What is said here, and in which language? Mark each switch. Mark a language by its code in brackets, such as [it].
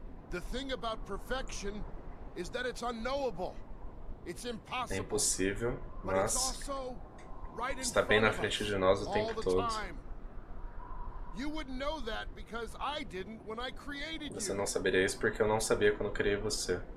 [en] The thing about perfection is that it's unknowable. It's impossible. [pt] É impossível, mas está bem na frente de nós o tempo todo. [en] You wouldn't know that because I didn't when I created you. [pt] Você não saberia isso porque eu não sabia quando criei você.